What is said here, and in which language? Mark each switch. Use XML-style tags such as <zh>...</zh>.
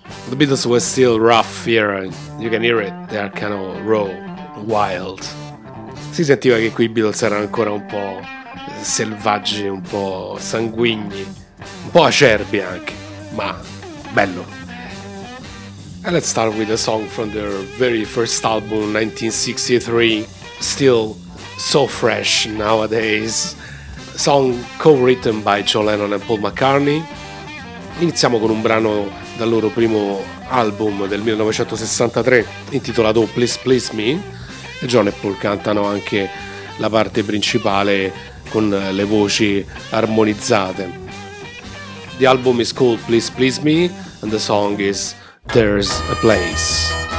<en>The Beatles were still rough here, you can hear it, they are kind of raw, wild.</en> <it>Si sentiva che qui i Beatles erano ancora un po' selvaggi, un po' sanguigni, un po' acerbi anche, ma bello.</it> <en>And let's start with a song from their very first album, 1963, still so fresh nowadays. Song co-written by John Lennon and Paul McCartney.</en> <it>Iniziamo con un brano dal loro primo album del 1963 intitolato Please Please Me. John e Paul cantano anche la parte principale con le voci armonizzate.</it> <en>The album is called Please Please Me and the song is There's a Place.</en>